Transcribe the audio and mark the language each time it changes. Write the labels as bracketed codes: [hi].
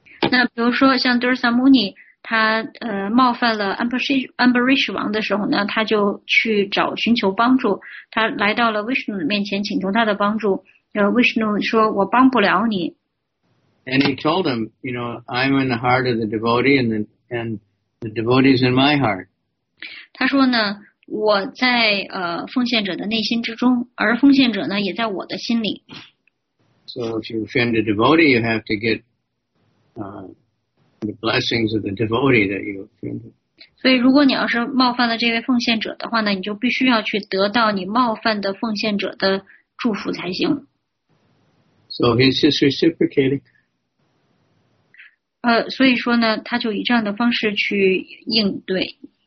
[zh] 那比如说像Durvasa Muni，他冒犯了安布瑞什王的时候呢，他就去找寻求帮助，他来到了Vishnu面前请求他的帮助。 Vishnu说我帮不了你。 [en] And he told him, you know, I'm in the heart of the devotee and The devotee is in my heart. [zh] 他说呢，我在奉献者的内心之中，而奉献者呢也在我的心里。 [en] So if you offend a devotee, you have to get the blessings of the devotee that you offended. [zh] 所以如果你要是冒犯了这位奉献者的话呢，你就必须要去得到你冒犯的奉献者的祝福才行。 [en] So he's just reciprocating. [zh] 所以说呢，他就以这样的方式去应对。